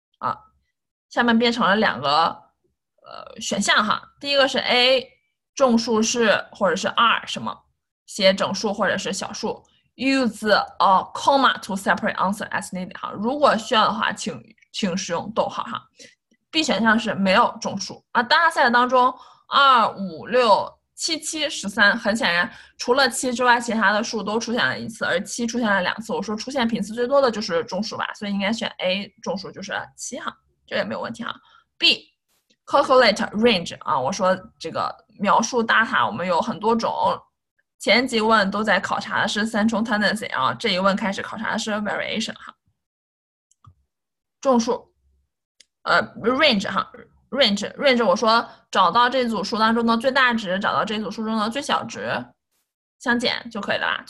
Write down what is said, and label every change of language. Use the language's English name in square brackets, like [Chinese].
[Chinese] 啊，下面变成了两个选项哈。第一个是 A。众数是或者是二什么，写整数或者是小数。 [English] Use a comma to separate answer as needed 哈， [Chinese] 如果需要的话，请使用逗号哈。 B 选项是没有众数啊。大赛当中，二五六七七十三，很显然除了七之外，其他的数都出现了一次，而七出现了两次。我说出现频次最多的就是众数吧，所以应该选 A， 众数就是七哈，这也没有问题哈。 B [English] calculate range [Chinese] 啊，我说这个。描述 data 我们有很多种，前几问都在考察的是 central tendency 啊，这一问开始考察的是 variation 哈，众数，range 哈 ，range 我说找到这组数当中的最大值，找到这组数中的最小值，相减就可以了吧？